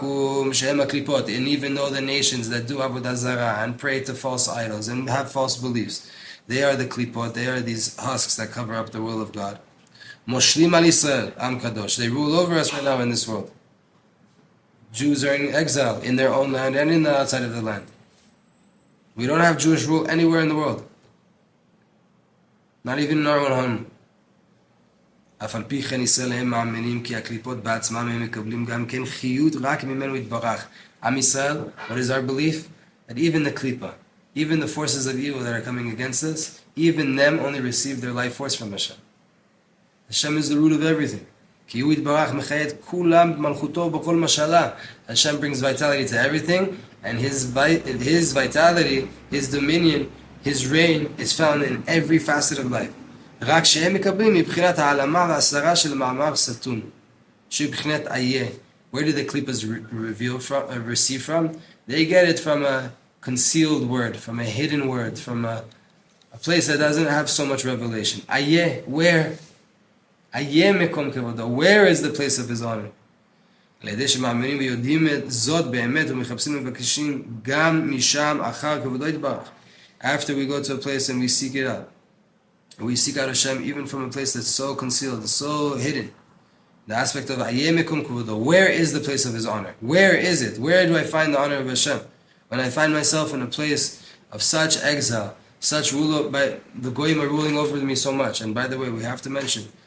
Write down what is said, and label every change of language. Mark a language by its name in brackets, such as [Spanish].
[English] And even though the nations that do Avodah Zarah and pray to false idols and have false beliefs, they are the klipot, they are these husks that cover up the will of God. They rule over us right now in this world. Jews are in exile in their own land and in the outside of the land. We don't have Jewish rule anywhere in the world. Not even in our own home. [Hebrew] אף על פי כן ישראל הם מאמינים כי הקליפות בעצמם הם מקבלים גם כן חיות רק ממנו יתברך. עם ישראל, [English] what is our belief? That even the klipa, even the forces of evil that are coming against us, even them only receive their life force from Hashem. Hashem is the root of everything. [Hebrew] כי הוא יתברך מחיית כולם במלכותו בכל משלה. [English] Hashem brings vitality to everything, and his vitality, his dominion, his reign is found in every facet of life. [Hebrew] רק שהם מקבלים מבחינת העלמה והסרה של מאמר סתום, שבחינת איה. [English] Where do the clippers receive from? They get it from a concealed word, from a hidden word, from a place that doesn't have so much revelation. [Hebrew] איה, [English] where? [Hebrew] איה מקום כבודו. [English] Where is the place of his honor? [Hebrew] לידי שמאמינים ויודעים זאת באמת ומחפשים ומבקשים גם משם אחר כבודו יתברך. [English] After we go to a place and we seek it out, we seek out Hashem even from a place that's so concealed, so hidden. The aspect of Ayyeh Mekum Kuvudo, where is the place of His honor? Where is it? Where do I find the honor of Hashem? When I find myself in a place of such exile, such rule, by the Goyim are ruling over me so much. And by the way, we have to mention,